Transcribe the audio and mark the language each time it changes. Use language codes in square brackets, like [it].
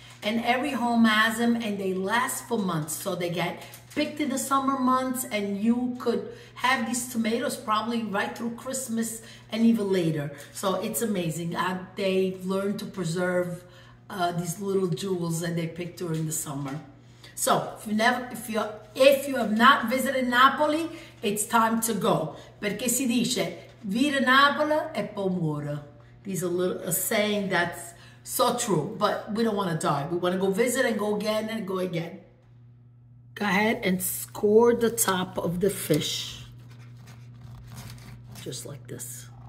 [en] And every home has them and they last for months, so they get picked in the summer months, and you could have these tomatoes probably right through Christmas and even later. So it's amazing how they've learned to preserve these little jewels that they picked during the summer. So if you have not visited Napoli, it's time to go. [it] Perché si dice, vive Napoli e poi muore. [en] These are a saying that's so true, but we don't want to die. We want to go visit and go again and go again. Go ahead and score the top of the fish, just like this.